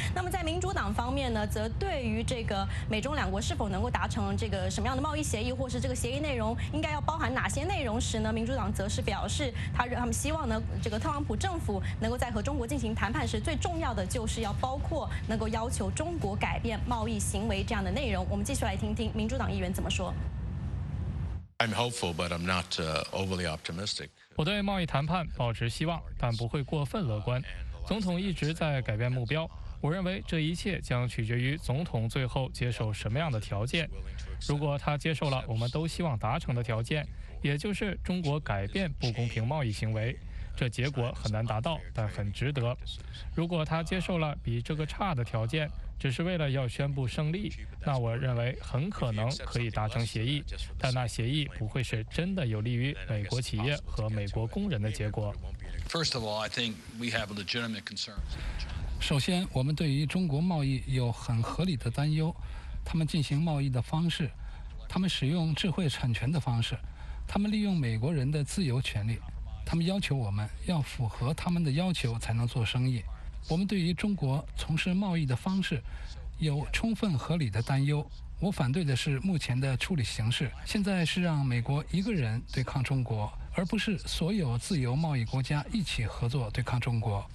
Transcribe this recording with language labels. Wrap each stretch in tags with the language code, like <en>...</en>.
<zh>那么在民主党方面呢，则对于这个美中两国是否能够达成这个什么样的贸易协议，或是这个协议内容应该要包含哪些内容时呢，民主党则是表示他们希望呢，这个特朗普政府能够在和中国进行谈判时，最重要的就是要包括能够要求中国改变贸易行为这样的内容。我们继续来听听民主党议员怎么说。</zh> <en>I'm hopeful but I'm not overly optimistic.</en> <zh>我对贸易谈判保持希望，但不会过分乐观。总统一直在改变目标，我认为这一切将取决于总统最后接受什么样的条件。如果他接受了我们都希望达成的条件，也就是中国改变不公平贸易行为，这结果很难达到，但很值得。如果他接受了比这个差的条件，只是为了要宣布胜利，那我认为很可能可以达成协议，但那协议不会是真的有利于美国企业和美国工人的结果。</zh> <en>First of all, I think we have legitimate concerns.</en> <zh>首先，我们对于中国贸易有很合理的担忧，他们进行贸易的方式，他们使用智慧产权的方式，他们利用美国人的自由权利，他们要求我们要符合他们的要求才能做生意。我们对于中国从事贸易的方式有充分合理的担忧，我反对的是目前的处理形式，现在是让美国一个人对抗中国，而不是所有自由贸易国家一起合作对抗中国。</zh>